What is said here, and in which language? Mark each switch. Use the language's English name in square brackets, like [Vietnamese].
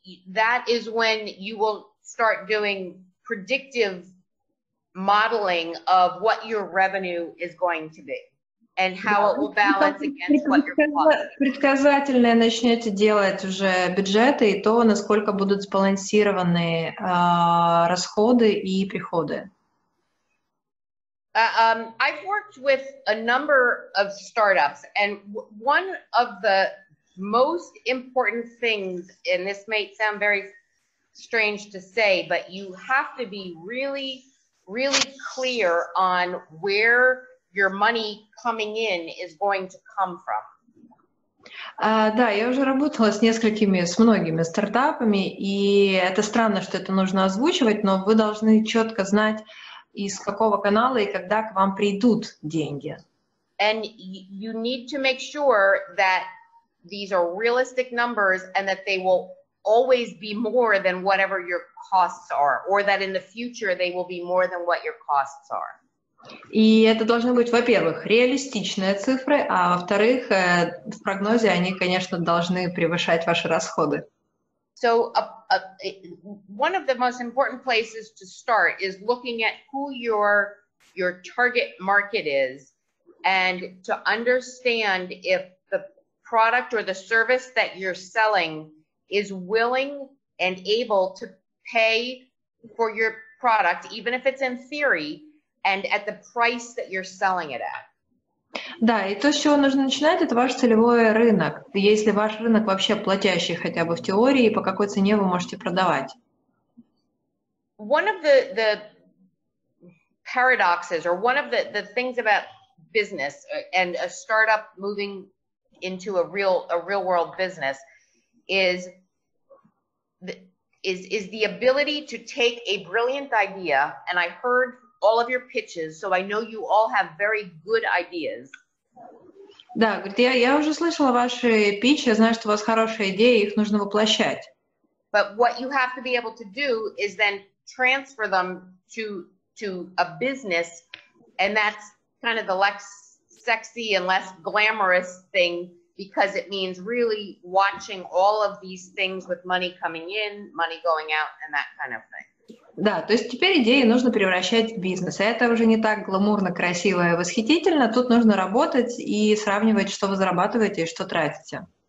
[English] That is when you will start doing predictive modeling of what your revenue is going to be and how it will balance against what your costs. [Russian] Предсказательное начнете делать уже бюджеты и то, насколько будут сбалансированы расходы и приходы. [English] I've worked with a number of startups, and one of the most important things, and this may sound very strange to say, but you have to be really, really clear on where your money coming in is going to come from. [Russian] Да, я уже работала с многими стартапами, и это странно, что это нужно озвучивать, но вы должны четко знать, из какого канала и когда к вам придут деньги. [English] And you need to make sure that these are realistic numbers and that they will always be more than whatever your costs are, or that in the future they will be more than what your costs are. [Russian] И это должны быть, во-первых, реалистичные цифры, а во-вторых, в прогнозе они, конечно, должны превышать ваши расходы. [English] So one of the most important places to start is looking at who your target market is and to understand if product or the service that you're selling is willing and able to pay for your product, even if it's in theory, and at the price that you're selling it at. [Russian] Да, и то, с чего нужно начинать, это ваш целевой рынок. Если ваш рынок вообще платящий хотя бы в теории, по какой цене вы можете продавать? [English] One of the paradoxes, or one of the things about business and a startup moving into a real world business is the ability to take a brilliant idea, and I heard all of your pitches, so I know you all have very good ideas. [Russian] Да, говорит, я уже слышала ваши питчи, я знаю, что у вас хорошие идеи, их нужно воплощать. [English] But what you have to be able to do is then transfer them to a business, and that's kind of the less sexy and less glamorous thing, because it means really watching all of these things with money coming in, money going out, and that kind of thing. [Russian] Да, то есть теперь идеи нужно превращать в бизнес. Это уже не так гламурно, красиво и восхитительно. Тут нужно работать и сравнивать, что вы зарабатываете и что тратите.